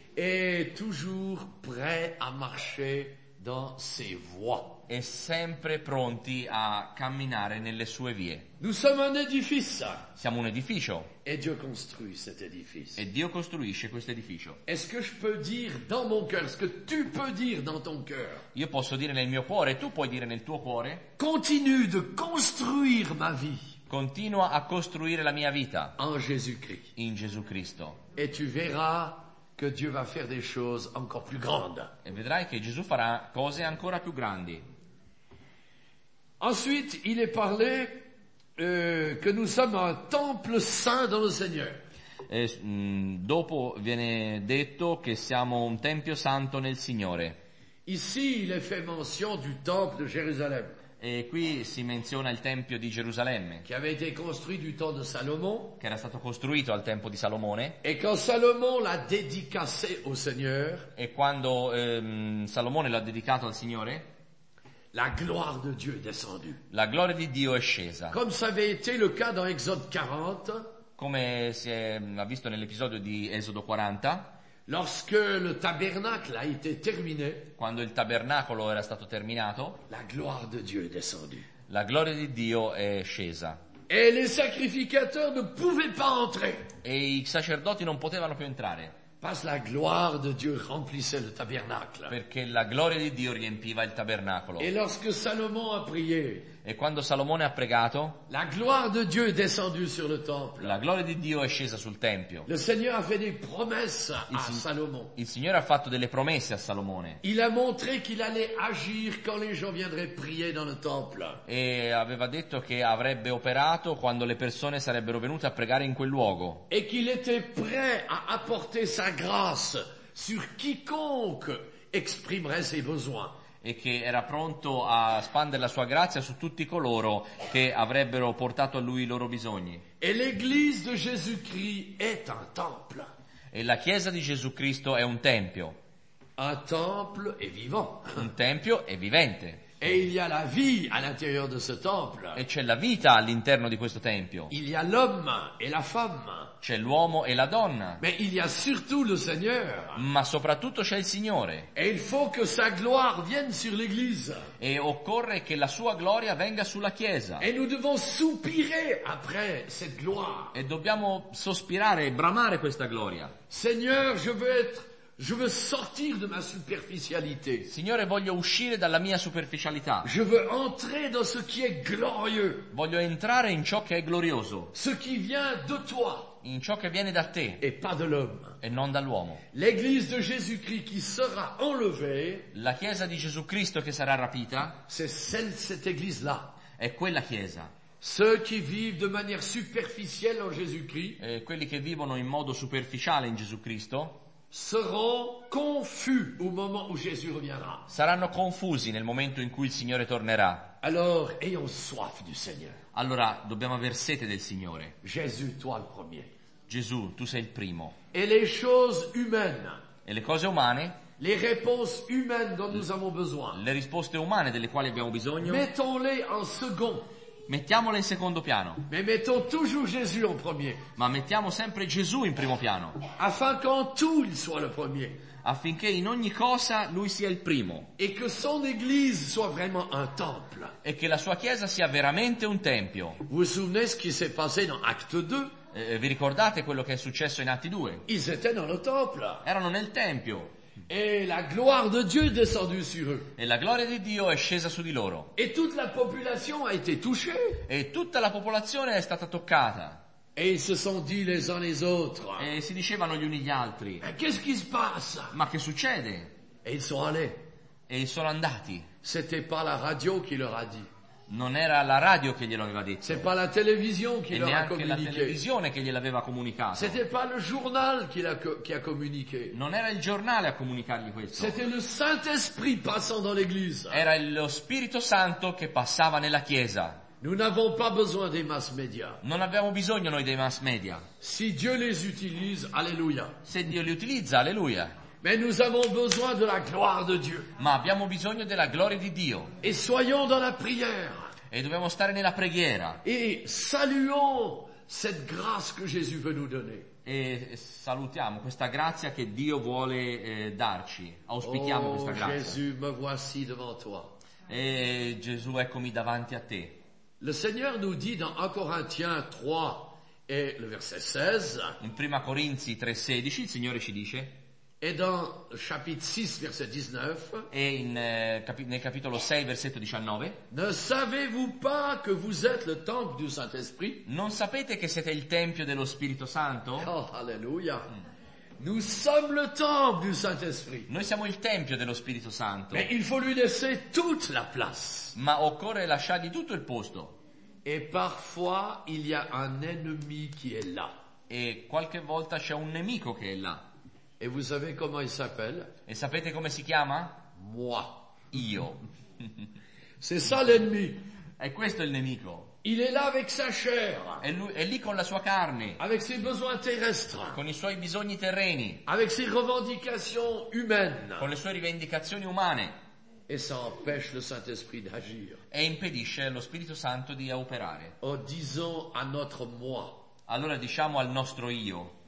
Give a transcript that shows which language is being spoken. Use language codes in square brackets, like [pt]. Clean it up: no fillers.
[fr] Et toujours prêts à marcher dans ses voies. [it] E sempre pronti a camminare nelle sue vie. [fr] Nous sommes un édifice. [it] Siamo un edificio. [fr] Et Dieu construit cet édifice. [it] E Dio costruisce questo edificio. [fr] Est-ce que je peux dire dans mon cœur ce que tu peux dire dans ton cœur? [it] Io posso dire nel mio cuore, tu puoi dire nel tuo cuore? [fr] Continue de construire ma vie. [it] Continua a costruire la mia vita. [fr] En Jésus-Christ. [it] In Gesù Cristo. [fr] Et tu verras que Dieu va faire des choses encore plus grandes. [it] E vedrai che Gesù farà cose ancora più grandi. [fr] Ensuite, il est parlé que nous sommes un temple saint dans le Seigneur. [it] E, dopo viene detto che siamo un tempio santo nel Signore. [fr] Ici, il est fait mention du temple de Jérusalem. [it] E qui si menziona il tempio di Gerusalemme. [fr] Qui avait été construit du temps de Salomon. [it] Che era stato costruito al tempo di Salomone. [fr] Et quand Salomon l'a dédicacé au Seigneur. [it] E quando Salomone l'ha dedicato al Signore. [fr] La gloire de Dieu est descendue. [it] La gloria di Dio è scesa. [fr] Comme ça avait été le cas dans Exode 40. [it] Come si ha visto nell'episodio di Esodo 40. [fr] Lorsque le tabernacle a été terminé, [it] quando il tabernacolo era stato terminato, [fr] la gloire de Dieu est descendue. [it] La gloria di Dio è scesa. [fr] Et les sacrificateurs ne pouvaient pas entrer. [it] E i sacerdoti non potevano più entrare. [fr] Parce la gloire de Dieu remplissait le tabernacle. [it] Perché la gloria di Dio riempiva il tabernacolo. [fr] Et lorsque Salomon a prié, [it] e quando Salomone ha pregato, [fr] la gloire de Dieu est descendue sur le temple. [it] La gloria di Dio è scesa sul tempio. [fr] Le Seigneur a fait des promesses à Salomon. [it] Il Signore ha fatto delle promesse a Salomone. [fr] Il a montré qu'il allait agir quand les gens viendraient prier dans le temple. [it] E aveva detto che avrebbe operato quando le persone sarebbero venute a pregare in quel luogo. [fr] Et qu'il était prêt à apporter sa grâce sur quiconque exprimerait ses besoins. [it] E che era pronto a spandere la sua grazia su tutti coloro che avrebbero portato a lui i loro bisogni. [fr] Et l'église de Jésus-Christ est un temple. [it] E la chiesa di Gesù Cristo è un tempio. [fr] Un temple est vivant. [it] Un tempio è vivente. [fr] Et il y a la vie à l'intérieur de ce temple. [it] E c'è la vita all'interno di questo tempio. [fr] Il y a l'homme et la femme. [it] C'è l'uomo e la donna. [fr] Mais il y a surtout le Seigneur. [it] Ma soprattutto c'è il Signore. [fr] Et il faut que sa gloire vienne sur l'Église. [it] E occorre che la sua gloria venga sulla Chiesa. [fr] Et nous devons soupirer après cette gloire. [it] E dobbiamo sospirare e bramare questa gloria. [fr] Seigneur, je veux sortir de ma superficialité. [it] Signore, voglio uscire dalla mia superficialità. [fr] Je veux entrer dans ce qui est glorieux. [it] Voglio entrare in ciò che è glorioso. [fr] Ce qui vient de toi. [it] In ciò che viene da te. [fr] Et pas de l'homme. [it] E non dall'uomo. [fr] L'église de Jésus-Christ qui sera enlevée. [it] La chiesa di Gesù Cristo che sarà rapita. [fr] C'est cette église-là. [it] è quella chiesa. [fr] Ceux qui vivent de manière superficielle en Jésus-Christ, [it] quelli che vivono in modo superficiale in Gesù Cristo, [fr] seront confus au moment où Jésus reviendra. [it] Saranno confusi nel momento in cui il Signore tornerà. [fr] Alors, ayons soif du Seigneur. [it] Allora, dobbiamo aver sete del Signore. [fr] Jésus, toi le premier. [it] Gesù, tu sei il primo. [fr] Et les choses humaines. [it] E le cose umane. [fr] Les réponses humaines dont nous avons besoin. [it] Le risposte umane delle quali abbiamo bisogno. [fr] Mettons-les en second. [it] Mettiamole in secondo piano. [fr] Mais mettons toujours Jésus en premier. [it] Ma mettiamo sempre Gesù in primo piano. [fr] Afin qu'en tout il soit le premier. [it] Affinché in ogni cosa lui sia il primo. [fr] Et que son église soit vraiment un temple. [it] E che la sua chiesa sia veramente un tempio. [fr] Vous souvenez ce qui s'est passé dans Acte 2? [it] Vi ricordate quello che è successo in Atti 2? [fr] Ils étaient dans le temple. [it] Erano nel tempio. [fr] Et la gloire de Dieu est descendue sur eux. [it] E la gloria di Dio è scesa su di loro. [fr] Et toute la population a été touchée. [it] E tutta la popolazione è stata toccata. [fr] Et ils se sont dit les uns les autres. [it] E si dicevano gli uni gli altri. [fr] Mais qu'est-ce qui se passe? [it] Ma che succede? [fr] Et ils sont allés. [it] E sono andati. [fr] C'était pas la radio qui leur a dit. [it] Non era la radio che glielo aveva detto. [fr] C'est pas la télévision qui leur a communiqué. [it] E neanche la televisione che gliel'aveva comunicato. [fr] C'était pas le journal qui a communiqué. [it] Non era il giornale a comunicargli questo. [fr] C'était le Saint-Esprit passant dans l'église. [it] Era lo Spirito Santo che passava nella chiesa. [fr] Nous n'avons pas besoin des mass media. [it] Non abbiamo bisogno noi dei mass media. [fr] Si Dieu les utilise, alléluia. [it] Se Dio li utilizza, alleluia. [fr] Mais nous avons besoin de la gloire de Dieu. [it] Ma abbiamo bisogno della gloria di Dio. [fr] Et soyons dans la prière. [it] E dobbiamo stare nella preghiera. [fr] Et saluons cette grâce que Jésus veut nous donner. [it] E salutiamo questa grazia che Dio vuole darci. Auspichiamo oh, questa grazia. [fr] Jésus, me voici devant toi. [it] E Gesù, eccomi davanti a te. [fr] Le Seigneur nous dit dans 1 Corinthiens 3 et le verset 16. [it] In Prima Corinzi 3:16 il Signore ci dice. [fr] Et dans chapitre 6 verset 19 [it] et in nel capitolo 6 versetto 19 [fr] ne savez-vous pas que vous êtes le temple du Saint-Esprit? [it] Non sapete che siete il tempio dello Spirito Santo? Oh alléluia. [fr] Nous sommes le temple du Saint-Esprit. [it] Noi siamo il tempio dello Spirito Santo. [fr] Mais il faut lui laisser toute la place. [it] Ma occorre lasciargli tutto il posto. [fr] Et parfois il y a un ennemi qui est là. [it] E qualche volta c'è un nemico che è là. [fr] Et vous savez comment il s'appelle? [it] E sapete come si chiama? [fr] Moi. [it] Io. [fr] C'est ça l'ennemi. [it] E questo è il nemico. [fr] Il est là avec sa chair. [it] E lui è lì con la sua carne. [fr] Avec ses besoins terrestres. [it] Con i suoi bisogni terreni. [fr] Avec ses revendications humaines. [it] Con le sue rivendicazioni umane. [fr] Et ça empêche le Saint-Esprit d'agir. [it] E impedisce allo Spirito Santo di operare. [fr] Oh, disons à notre moi. [it] Allora diciamo al nostro io.